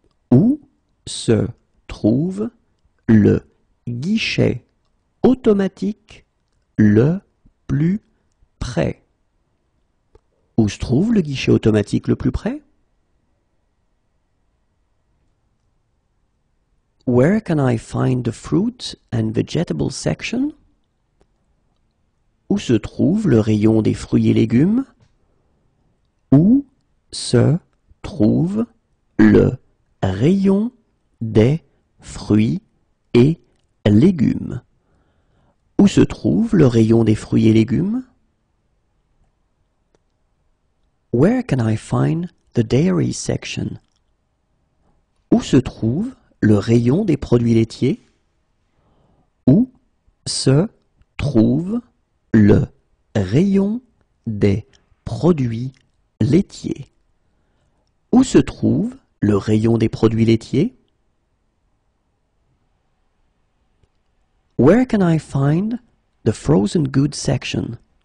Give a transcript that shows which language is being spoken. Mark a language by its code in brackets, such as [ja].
[fr] Où se trouve le guichet automatique le plus près? Où se trouve le guichet automatique le plus près? [en] Where can I find the fruit and vegetable section? [fr] Où se trouve le rayon des fruits et légumes? Où se trouve le rayon des fruits et légumes? Où se trouve le rayon des fruits et légumes? [en] Where can I find the dairy section? [fr] Où se trouve le rayon des produits laitiers? Où se trouve le rayon des produits laitiers? Où se trouve le rayon des produits laitiers? [en] Where can I find the frozen goods section?